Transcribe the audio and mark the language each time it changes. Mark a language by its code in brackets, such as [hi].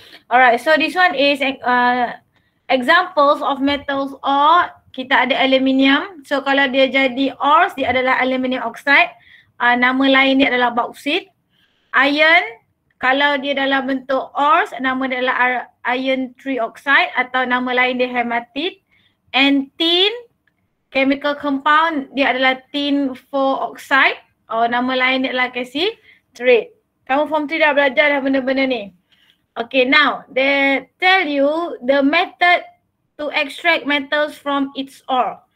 [en] Alright, so this one is examples of metals ore. [ms] Kita ada aluminium. So kalau dia jadi ores, dia adalah aluminium oxide. Nama lain dia adalah bauxit. Iron, kalau dia dalam bentuk ores, nama dia adalah iron trioxide atau nama lain dia hematite. [en] And tin, chemical compound, [ms] dia adalah [en] tin 4 oxide. [ms] Oh, nama lain ni adalah kassiterite. Kamu form 3 dah belajar dah benda-benda ni. [en] Okay, now they tell you the method to extract metals from its ore.